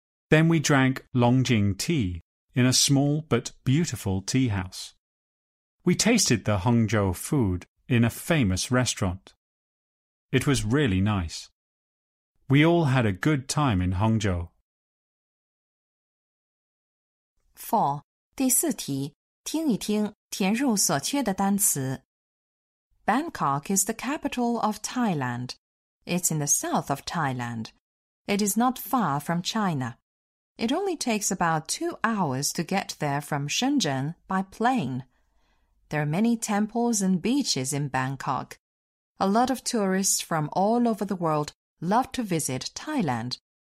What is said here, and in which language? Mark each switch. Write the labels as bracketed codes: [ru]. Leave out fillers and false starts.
[en] Then we drank Longjing tea in a small but beautiful tea house. We tasted the Hangzhou food in a famous restaurant. It was really nice. We all had a good time in Hangzhou. 4. [zh] 第4题, 听一听, 填入所缺的单词。 [en] Bangkok is the capital of Thailand. It's in the south of Thailand. It is not far from China. It only takes about 2 hours to get there from Shenzhen by plane. There are many temples and beaches in Bangkok. A lot of tourists from all over the world love to visit Thailand.